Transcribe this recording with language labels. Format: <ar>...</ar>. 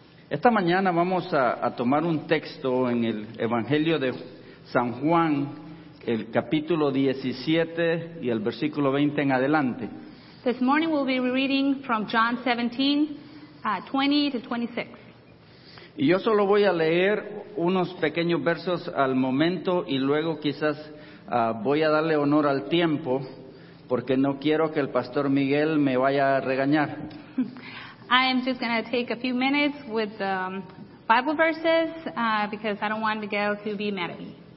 <es>Esta mañana vamos a tomar un texto en el Evangelio de San Juan, el capítulo 17 y el versículo 20 en adelante.</es> <en>This morning we'll be reading from John 17, 20 to 26.</en> <es>Y yo solo voy a leer unos pequeños versos al momento y luego quizás voy a darle honor al tiempo porque no quiero que el pastor Miguel me vaya a regañar.</es> <en>I am just going to take a few minutes with the Bible verses because I don't want Miguel to be mad at me.</en>